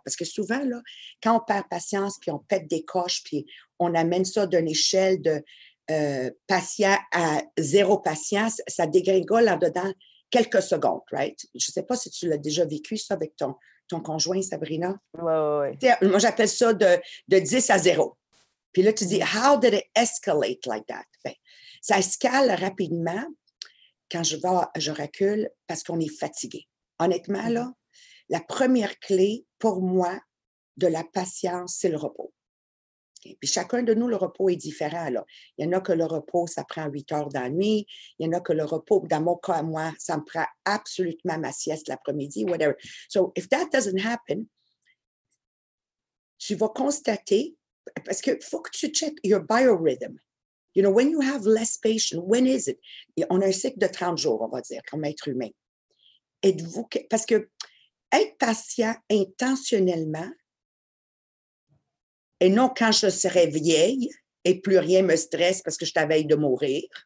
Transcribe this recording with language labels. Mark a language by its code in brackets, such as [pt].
[fr] Parce que souvent, là, quand on perd patience, puis on pète des coches, puis on amène ça d'une échelle de patient à zéro patience, ça dégringole en dedans quelques secondes, right? Je ne sais pas si tu l'as déjà vécu ça avec ton conjoint, Sabrina. Oui, oui, oui. Moi, j'appelle ça de 10 à 0. Puis là, tu dis, [en] how did it escalate like that? [fr] Ben, ça escale rapidement quand je recule parce qu'on est fatigué. Honnêtement, là, la première clé pour moi de la patience, c'est le repos. Okay? Puis chacun de nous, le repos est différent. Là. Il y en a que le repos, ça prend 8 heures dans la nuit. Il y en a que le repos, dans mon cas, moi, ça me prend absolument ma sieste l'après-midi, whatever. [en] So, if that doesn't happen, [fr] tu vas constater, parce qu'il faut que tu [en] check your biorhythm. You know, when you have less patience, when is it? [fr] On a un cycle de 30 jours, on va dire, comme être humain. Êtes-vous, parce que être patient intentionnellement, et non quand je serai vieille et plus rien me stresse parce que je t'avais de mourir.